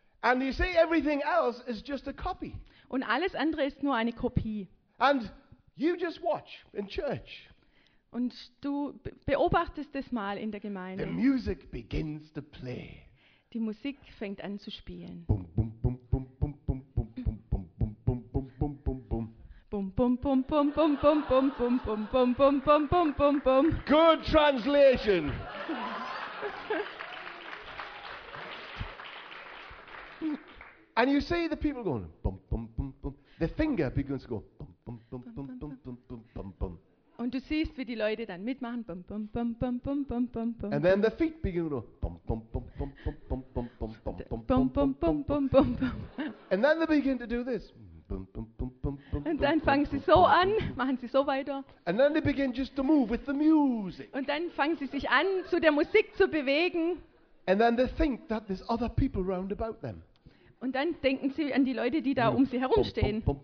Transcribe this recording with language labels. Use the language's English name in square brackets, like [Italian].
[English] And you see, everything else is just a copy. [German] Und alles andere ist nur eine Kopie. [English] And you just watch in church. [German] Und du beobachtest das mal in der Gemeinde. [English] The music begins to play. [German] Die Musik fängt an zu spielen. Bum bum bum bum bum bum bum bum bum bum bum bum bum bum bum bum bum bum bum bum bum bum bum bum bum bum bum bum bum bum. [English] Good translation. And you see the people going bum bum bum bum. The finger begins to go bum bum bum bum bum bum bum bum bum. [German] Und du siehst, wie die Leute dann mitmachen. Bum, bum, bum, bum, bum, bum, bum, bum. [English] And then the feet begin to bum bum bum bum bum bum bum bum bum bum bum bum bum bum bum bum. And then they begin to do this. [German] Und dann fangen sie so an, machen sie so weiter. [English] And then they begin just to move with the music. [German] Und dann fangen sie sich an, zu der Musik zu bewegen. [English] And then they think that there's other people round about them. [German] Und dann denken sie an die Leute, die da um sie herumstehen.